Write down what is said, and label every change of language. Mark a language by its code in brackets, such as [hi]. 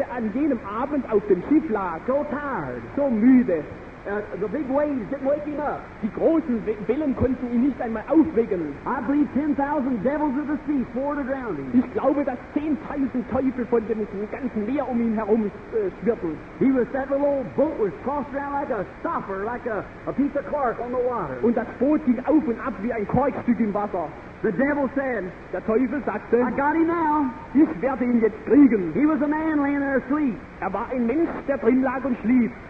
[de] als an jenem Abend auf dem Schiff lag, [en] so tired, [de] so müde, [en] the big waves didn't wake him up. [de] Die großen Wellen konnten ihn nicht einmal aufwecken. [en] I believe 10,000 devils of the sea swore to drown him. [de] Ich glaube, dass 10,000 Teufel von dem ganzen Meer ihn herum schwirrten. [en] He was, that little old boat was tossed around like a stopper, like a piece of cork on the water. [de] Und das Boot ging auf und ab wie ein Korkstück im Wasser. [en] The devil said, [de] der Teufel sagte, [en] I got him now. [de] Ich werde ihn jetzt kriegen. [en] He was a man laying there asleep. [de] War ein Mensch, der drin lag und schlief.